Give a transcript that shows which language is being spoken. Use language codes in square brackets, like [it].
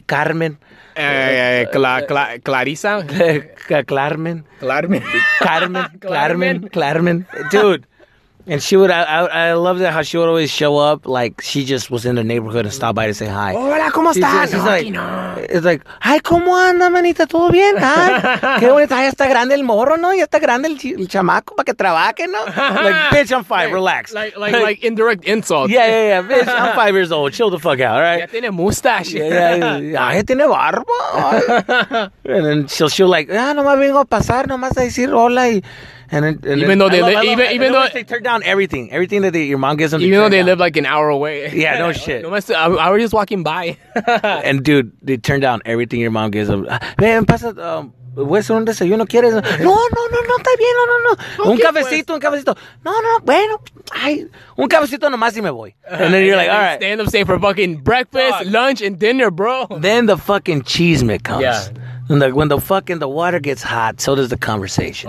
[en] Carmen. Clarissa? Clarmen. Clarmen. Clarmen. Dude. And she would, I loved it how she would always show up, like, she just was in the neighborhood and stopped by to say hi. [es] Hola, ¿cómo estás? [en] It's like, [es] ay, ¿cómo anda, manita? ¿Todo bien? Ay, qué bonita, ya está grande el morro, ¿no? Ya está grande el chamaco para que trabaje, ¿no? [en] Like, bitch, I'm five, relax. Like indirect insult. Yeah, bitch, I'm 5 years old, chill the fuck out, all right? [es] Ya tiene mustache. Yeah, ya tiene barba. [en] And then she'll like, [es] ah, nomás vengo a pasar, nomás a decir hola y... [en] Even though they turn down everything that your mom gives them. Even though they live like an hour away. Yeah, no shit. I was just walking by. And dude, they turn down everything your mom gives them. [es] Man, pasa, ¿puedes hacer un desayuno? ¿Quieres? No, está bien, no. Un cafecito. No, bueno, un cafecito nomás y me voy. [en] And then you're like, all right. They end up staying for fucking breakfast, lunch, and dinner, bro. Then the fucking cheese mix comes. Yeah. And when the fucking the water gets hot, so does the conversation.